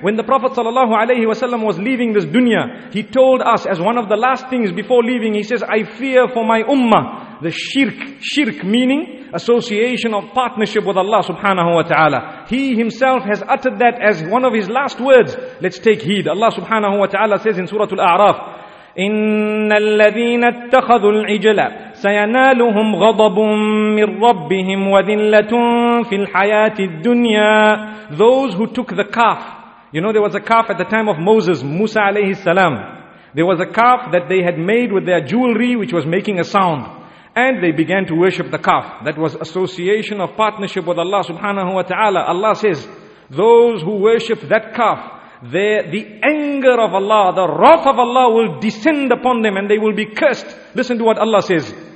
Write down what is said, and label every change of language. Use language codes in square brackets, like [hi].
[en] When the Prophet sallallahu alayhi wa sallam was leaving this dunya, he told us as one of the last things before leaving, he says, I fear for my ummah, the shirk. Shirk meaning association of partnership with Allah subhanahu wa ta'ala. He himself has uttered that as one of his last words. Let's take heed. Allah subhanahu wa ta'ala says in Surah Al-A'raf, [ar] إِنَّ الَّذِينَ اتَّخَذُوا الْعِجْلَ سَيَنَالُهُمْ غَضَبٌ مِّن رَّبِّهِمْ وَذِلَّةٌ فِي الْحَيَاةِ الدُّنْيَا. [en] Those who took the calf, you know, there was a calf at the time of Moses, Musa alayhi salam. There was a calf that they had made with their jewelry, which was making a sound. And they began to worship the calf. That was association of partnership with Allah subhanahu wa ta'ala. Allah says, those who worship that calf, the anger of Allah, the wrath of Allah will descend upon them and they will be cursed. Listen to what Allah says.